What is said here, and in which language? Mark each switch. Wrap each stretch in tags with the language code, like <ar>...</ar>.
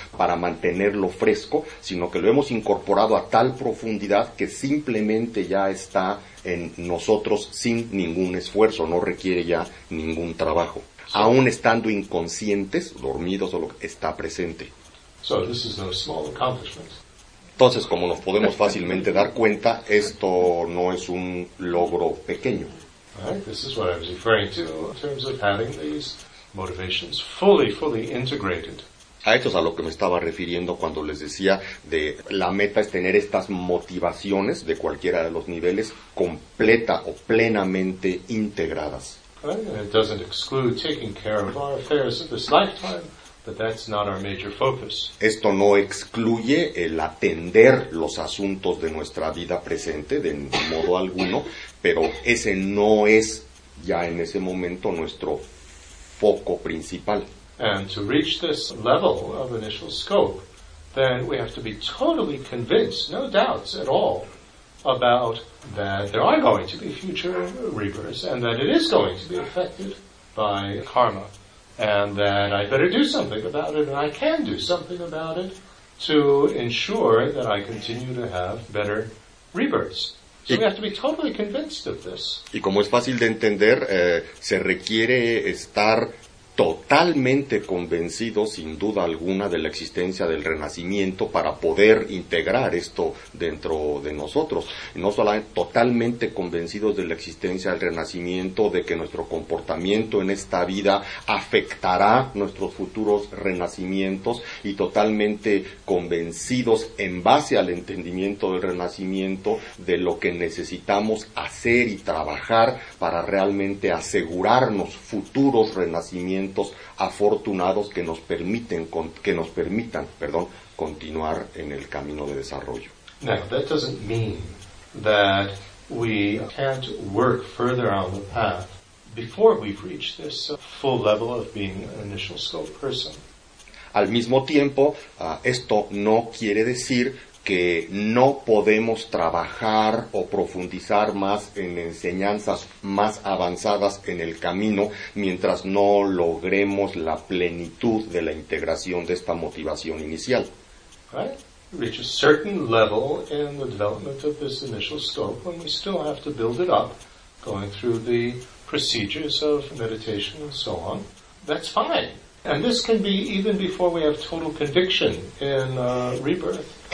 <es>Para mantenerlo fresco, sino que lo hemos incorporado a tal profundidad que simplemente ya está en nosotros sin ningún esfuerzo, no requiere ya ningún trabajo. Aún estando inconscientes, dormidos o lo que está presente.</es> <en>So this is no small accomplishment.</en> <es>Entonces, como nos podemos fácilmente dar cuenta, esto no es un logro pequeño.</es> <en>Right, this is what I was referring to in terms of having these motivations fully integrated.</en> <es>A esto es a lo que me estaba refiriendo cuando les decía de la meta es tener estas motivaciones de cualquiera de los niveles completa o plenamente integradas.</es> <en>Right, and it doesn't exclude taking care of our affairs of this lifetime. But that's not our major focus.</en> <es>Esto no excluye el atender los asuntos de nuestra vida presente de modo alguno, pero ese no es ya en ese momento nuestro foco principal.</es> <en>And to reach this level of initial scope, then we have to be totally convinced, no doubts at all, about that there are going to be future rebirths and that it is going to be affected by karma. And that I better do something about it, and I can do something about it to ensure that I continue to have better rebirths. So we have to be totally convinced of this.</en> <es>Y como es fácil de entender, se requiere estar totalmente convencido, sin duda alguna, de la existencia del renacimiento para poder integrar esto dentro de nosotros. No solamente totalmente convencidos de la existencia del renacimiento, de que nuestro comportamiento en esta vida afectará nuestros futuros renacimientos, y totalmente convencidos, en base al entendimiento del renacimiento, de lo que necesitamos hacer y trabajar para realmente asegurarnos futuros renacimientos afortunados que nos permiten que nos permitan continuar en el camino de desarrollo.</es> <en>Now, that doesn't mean that we can't work further on the path before we've reached this full level of being an initial scope person.</en> <es>Al mismo tiempo, esto no quiere decir que no podemos trabajar o profundizar más en enseñanzas más avanzadas en el camino mientras no logremos la plenitud de la integración de esta motivación inicial.</es> <en>Right? Reach a certain level in the development of this initial scope when we still have to build it up, going through the procedures of meditation and so on. That's fine. And this can be even before we have total conviction in rebirth.</en>